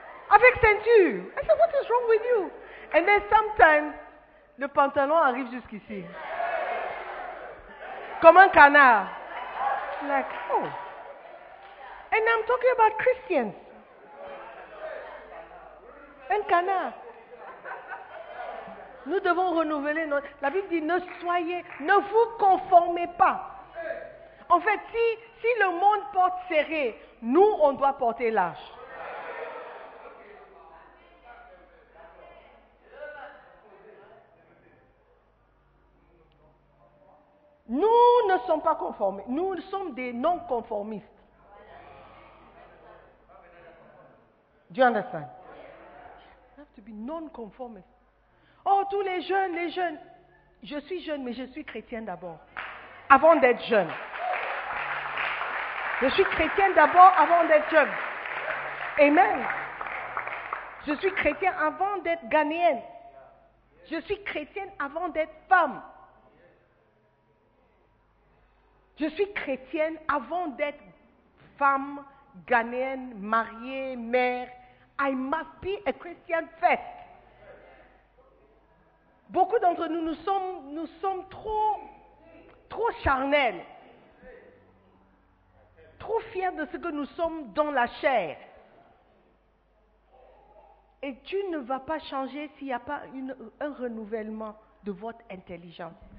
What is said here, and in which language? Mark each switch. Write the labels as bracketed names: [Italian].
[French] Avec ceinture. [English] I said, what is wrong with you? And then sometimes, [French] le pantalon arrive jusqu'ici. Comme un canard. [English] Like, oh. And I'm talking about Christians. [French] Un canard. Nous devons renouveler notre... La Bible dit, ne vous conformez pas. En fait, si le monde porte serré, nous, on doit porter large. Nous ne sommes pas conformés. Nous sommes des non-conformistes. [English] Do you understand? You have to be non-conformist. [French] Oh, tous les jeunes. Je suis jeune, mais je suis chrétienne d'abord. Avant d'être jeune. Je suis chrétienne d'abord avant d'être jeune. Amen. Je suis chrétienne avant d'être ghanéenne. Je suis chrétienne avant d'être femme. Je suis chrétienne avant d'être femme, ghanéenne, mariée, mère. [English] I must be a Christian first. [French] Beaucoup d'entre nous, nous sommes trop charnels, trop fiers de ce que nous sommes dans la chair. Et tu ne vas pas changer s'il n'y a pas un renouvellement de votre intelligence.